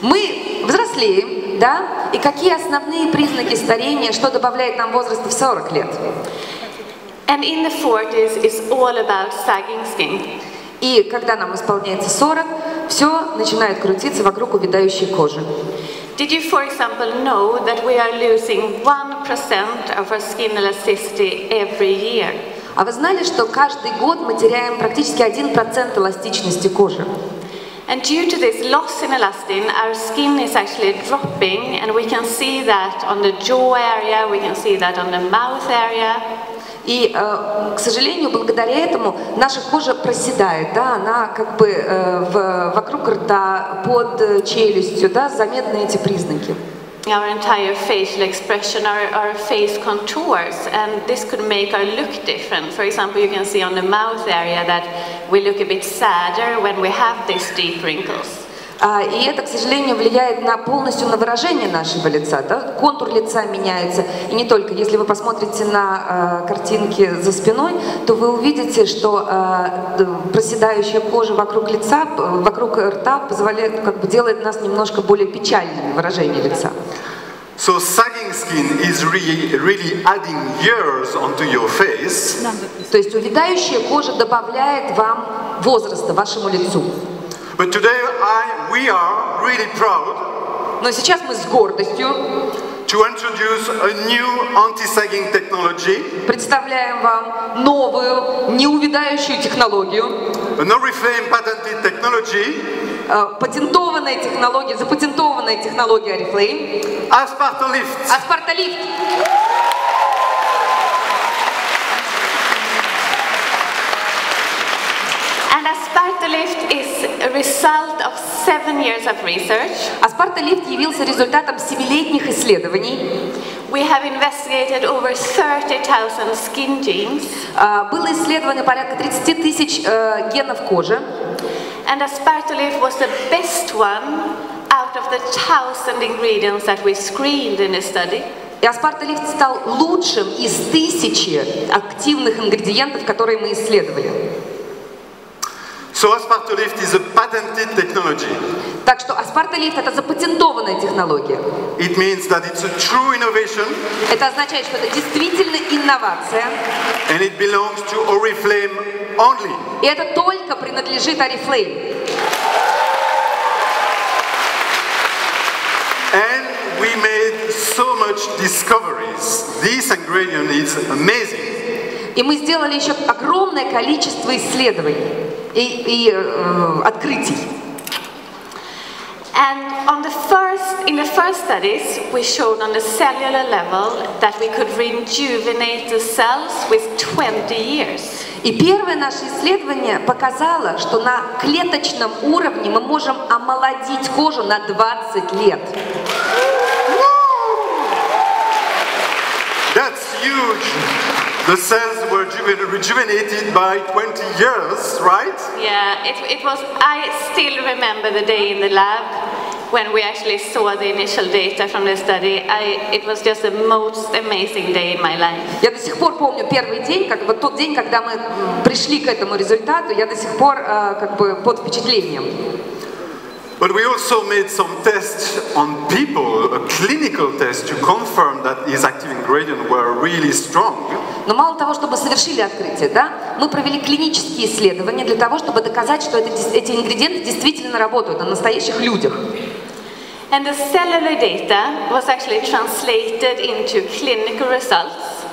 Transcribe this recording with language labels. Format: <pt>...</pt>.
<ru>Мы взрослеем, да? И какие основные признаки старения, что добавляет нам возраст в 40 лет?</ru> <en>And in the 40s, it's all about sagging skin.</en> <ru>И когда нам исполняется 40, все начинает крутиться вокруг увядающей кожи.</ru> <en>Did you, for example, know that we are losing 1% of our skin elasticity every year?</en> <ru>А вы знали, что каждый год мы теряем практически 1% эластичности кожи?</ru> <en>And due to this loss in elastin, our skin is actually dropping, and we can see that on the jaw area, we can see that on the mouth area.</en> <ru>И, к сожалению, благодаря этому наша кожа проседает, да, она как бы вокруг рта, под челюстью, да, заметны эти признаки.</ru> <en>Our entire facial expression, our face contours, and this could make our look different. For example, you can see on the mouth area that we look a bit sadder when we have these deep wrinkles.</en> <ru>И это, к сожалению, влияет на полностью на выражение нашего лица. Да? Контур лица меняется. И не только. Если вы посмотрите на картинки за спиной, то вы увидите, что проседающая кожа вокруг лица, вокруг рта, позволяет, как бы, делает нас немножко более печальными выражение лица.</ru> <en>So sagging skin is really adding years onto your face.</en> <ru>То есть увядающая кожа добавляет вам возраста вашему лицу.</ru> <en>But today we are really proud.</en> <ru>Но сейчас мы с гордостью.</ru> <en>To introduce a new anti-sagging technology.</en> <ru>Представляем вам новую неувядающую технологию.</ru> <en>An Oriflame patented technology.</en> <ru>Патентованная технология, запатентованная технология Oriflame.</ru> <en>Aspartolift.</en> <ru>Aspartolift.</ru> <en>Aspartolift is a result of 7 years of research.</en> <ru>Aspartolift явился результатом 7-летних исследований.</ru> <en>We have investigated over 30,000 skin genes.</en> <ru>Было исследовано порядка 30 тысяч генов кожи.</ru> <en>And Aspartolift was the best one out of the 1,000 ingredients that we screened in the study.</en> <ru>И Aspartolift стал лучшим из 1000 активных ингредиентов, которые мы исследовали.</ru> <en>So Aspartolift is a patented technology.</en> <ru>Так что Aspartolift — это запатентованная технология.</ru> <en>It means that it's a true innovation.</en> <ru>Это означает, что это действительно инновация.</ru> <en>And it belongs to Oriflame only.</en> <ru>И это только принадлежит Oriflame.</ru> <en>And we made so much discoveries. This ingredient is amazing.</en> <ru>И мы сделали еще огромное количество исследований. И открытий.</ru> <en>And on the first, in the first studies, we showed on the cellular level that we could rejuvenate the cells with 20 years.</en> <ru>И первое наше исследование показало, что на клеточном уровне мы можем омолодить кожу на 20 лет.</ru> <en>That's huge. The cells were rejuvenated by 20 years, right? Yeah, it was. I still remember the day in the lab. when we actually saw the initial data from the study, it was just the most amazing day in my life.</en> <ru>Я до сих пор помню первый день, как бы тот день, когда мы пришли к этому результату, я до сих пор как бы под впечатлением.</ru> <en>But we also made some tests on people, a clinical test to confirm that these active ingredients were really strong.</en> <ru>Но мало того, чтобы совершили открытие, да, мы провели клинические исследования для того, чтобы доказать, что эти ингредиенты действительно работают на настоящих людях.</ru> <en>And the cellular data was actually translated into clinical results.</en>